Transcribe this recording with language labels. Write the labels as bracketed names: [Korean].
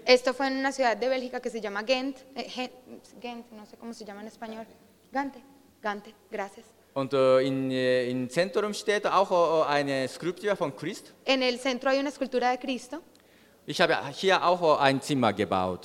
[Spanish] Esto fue en una ciudad de Bélgica que se llama Gent. Gent, no sé cómo se llama en español. Gante, gracias. [German] Und in Zentrum steht auch eine Skulptur von Christ. [Spanish] En el centro hay una escultura de Cristo. [German] Ich habe hier auch ein Zimmer gebaut.